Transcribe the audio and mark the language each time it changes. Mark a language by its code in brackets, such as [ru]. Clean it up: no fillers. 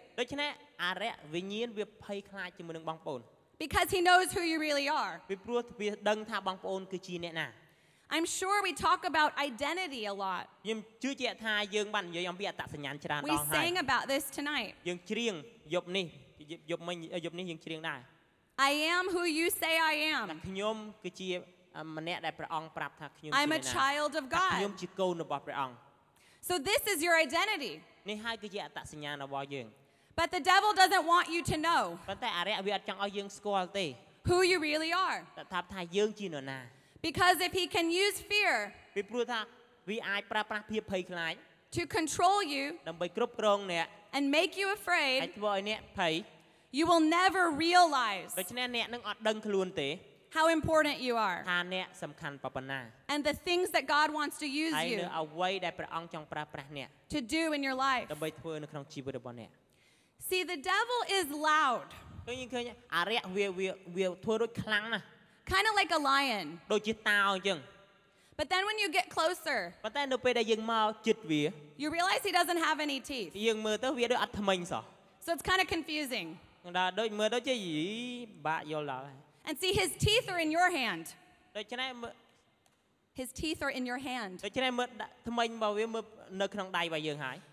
[km] ដូច្នេះអារក្សវិញ្ញាណវាភ័យខ្លាចជាមួយនឹងបងប្អូន [en] Because he knows who you really are. [km] ពីព្រោះវាដឹងថាបងប្អូនគឺជាអ្នកណា [en] I'm sure we talk about identity a lot. [km] ខ្ញុំជឿជាក់ថាយើងបាននិយាយអំពីអត្តសញ្ញាណច្រើនដ [en] ល់ហើយ We sing about this tonight. [km] យើងច្រៀងយប់នេះយប់មិញយប់នេះយើងច្រៀងដែរ [en] I am who you say I am. [km] ខ្ញុំគឺជាម្នាក់ដែលព្រះអង្គប្រាប់ថាខ្ញុំ ជាអ្នកណា [en] I'm a child of God. [km] ខ្ញុំជាកូនរបស់ព្រះអង្គ [en] So this is your identity. [km] នេះហើយគឺជាអត្តសញ្ញាណរបស់យើង [en] But the devil doesn't want you to know. [km] ប៉ុន្តែអារក្សវាអត់ចង់ឲ្យយើងស្គាល់ទេ [en] Who you really are. [km] តែថាថាយើងជានរណា [en] Because if he can use fear. [km] ពីព្រោះថាវាអាចប្រើប្រាស់ភាពភ័យខ្លាច [en] To control you. [km] ដើម្បីគ្រប់គ្រងអ្នក [en] And make you afraid. [km] ហើយធ្វើឲ្យអ្នកភ័យ [en] You will never realize. [km] ដូច្នេះអ្នកនឹងអត់ដឹងខ្លួនទេ [en] How important you are. [km] ថាអ្នកសំខាន់ប៉ុណ្ណា [en] And the things that God wants to use you. [km] ហើយនៅអ្វីដែលព្រះអង្គចង់ប្រើប្រាស់អ្នក [en] To do in your life. [km] ដើម្បីធ្វើនៅក្នុងជីវិតរបស់អ្នក [en] See the devil is loud. [km] ឃើញឃើញអារក្សវាធ្វើរួចខ្លាំងណាស់ [en] Kind of like a lion. [km] ដូចជាតោអញ្ចឹង [en] But then when you get closer. [km] ប៉ុន្តែនៅពេលដែលយើងមកជិតវា [en] You realize he doesn't have any teeth. [km] យើងមើលទៅវាដូចអត់ធ្មេញសោះ [en] So it's kind of confusing. [km] ដល់ដូចមើលដូចជាយីពិបាកយល់ដល់ [en] And see his teeth are in your hand. [km] ដូច្នេះ [en] His teeth are in your hand. [km] ដូច្នេះមើលធ្មេញរបស់វាមើលនៅក្នុងដៃរបស់យើងហើយ